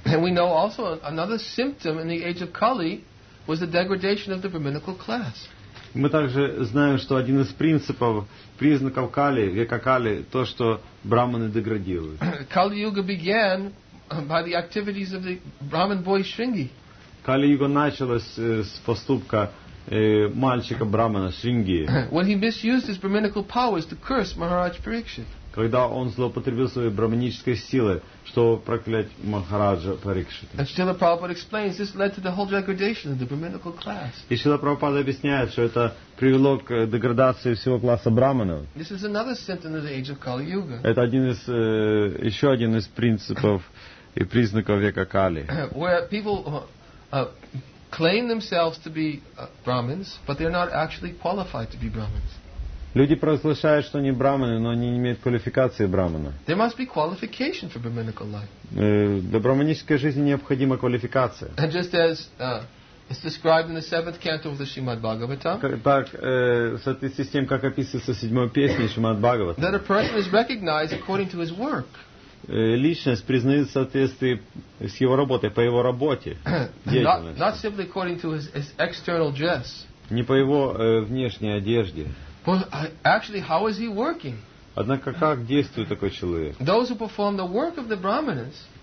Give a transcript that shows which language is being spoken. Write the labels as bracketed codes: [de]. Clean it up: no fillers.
[en] And we know also another symptom in the age of Kali was the degradation of the brahminical class. [ru] Мы также знаем, что один из принципов, признаков Кали, века Кали, то, что брахманы деградируют. [en] Kali-Yuga began by the activities of the Brahmin boy Shringi. [ru] Кали-Юга началась с поступка мальчика брахмана Шринги. [en] When he misused his brahminical powers to curse Maharaj Parikshit. [ru] Когда он злоупотребил своей брахманической силой, чтобы проклять Махараджа Парикшита. [en] And Srila Prabhupada explains this led to the whole degradation of the brahminical class. [ru] И Шрила Прабхупада объясняет, что это привело к деградации всего класса брахманов. [en] This is another symptom of the age of Kali Yuga. [ru] Это еще один из принципов и признаков века Кали. [en] Where people claim themselves to be Brahmins, but they're not actually qualified to be Brahmins. [ru] Люди провозглашают, что они брахманы, но они не имеют квалификации брахмана. [en] There must be qualification for brahminical life. [ru] Для брахманической жизни необходима квалификация. [en] And just as it's described in the seventh canto of the Shrimad Bhagavatam. [ru] Так, в соответствии с тем, как описывается в седьмой песне Шримад Бхагаватам. [en] That a person is recognized according to his work. [ru] Личность признается в соответствии с его работой, по его работе. [en] Not simply according to his external dress. [ru] Не по его внешней одежде. [en] Well, actually, how is he working? [ru] Однако как действует такой человек? [en] Those who perform the work of the brahmanas.